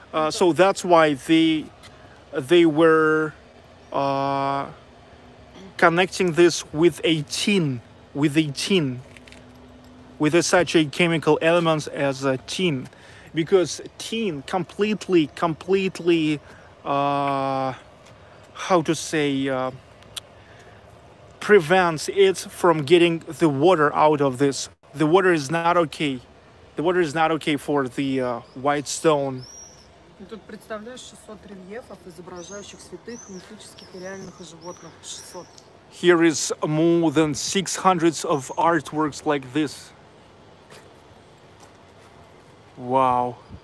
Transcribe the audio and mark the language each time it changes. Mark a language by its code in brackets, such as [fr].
[en] So that's why they were connecting this with a tin, with such a chemical element as a tin, because tin completely, prevents it from getting the water out of this. The water is not okay. The water is not okay for the white stone. [ru] Тут представляешь 600 рельефов, изображающих святых, мифических и реальных животных. 600. [en] Here is more than 600 of artworks like this. Wow.